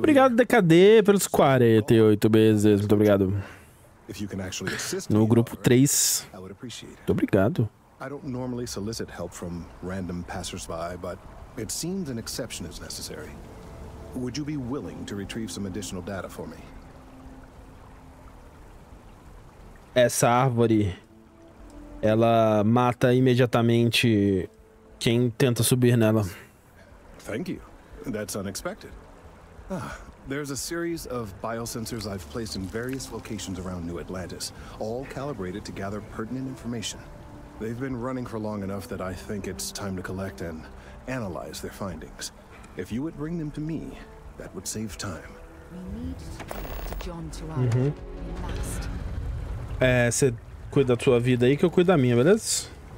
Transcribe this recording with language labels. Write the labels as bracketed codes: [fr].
[pt] Obrigado, DKD, pelos 48 meses. Muito obrigado. [en] If you can actually assist me, [pt] no grupo 3. [en] I would appreciate it. [pt] Muito obrigado. [en] I don't normally solicit help from random passersby, but it seems an exception is necessary. Would you be willing to retrieve some additional data for me? [pt] Essa árvore, ela mata imediatamente quem tenta subir nela. [en] Thank you. That's unexpected. Ah, there's a series of biosensors I've placed in various locations around New Atlantis, all calibrated to gather pertinent information. They've been running for long enough that I think it's time to collect and analyze their findings. If you would bring them to me, that would save time. We need to talk to John Tuan. [pt] É, você cuida da sua vida aí que eu cuido da minha, beleza?